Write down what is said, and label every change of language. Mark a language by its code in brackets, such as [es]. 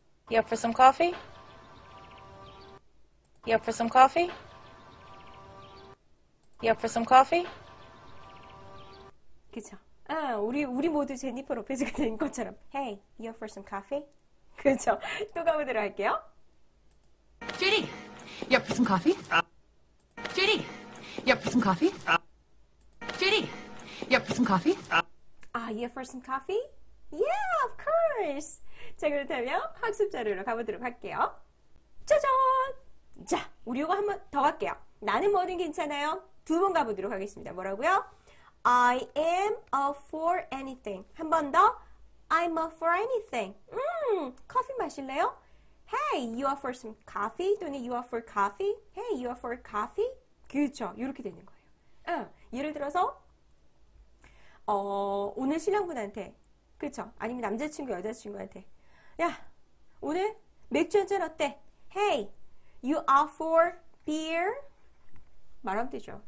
[en] You up for some coffee? You up for some coffee? You up for some coffee? [ko] 그쵸. 아, 우리 모두 제니퍼 로페즈가 된 것처럼 [en] Hey, you up for some coffee? [ko] 그쵸. 또 가보도록 할게요. [en] Judy, you up for some coffee? Judy, you up for some coffee? Judy, you up for some coffee? Are you up for some coffee? Yeah, of course. [ko] 자, 그렇다면 학습 자료로 가보도록 할게요. 짜잔! 자, 우리 이거 한 번 더 갈게요. 나는 뭐든 괜찮아요. 두 번 가보도록 하겠습니다. 뭐라고요? [en] I am up for anything. [ko] 한 번 더. [en] I'm up for anything. [ko] 커피 마실래요? [en] Hey, you up for some coffee? 또는 you up for coffee? Hey, you up for coffee? [ko] 그렇죠. 이렇게 되는 거예요. 예를 들어서 오늘 신랑분한테 그렇죠. 아니면 남자친구, 여자친구한테. 야, 오늘 맥주 한잔 어때? [en] Hey, you are for beer? [ko] 말하면 되죠.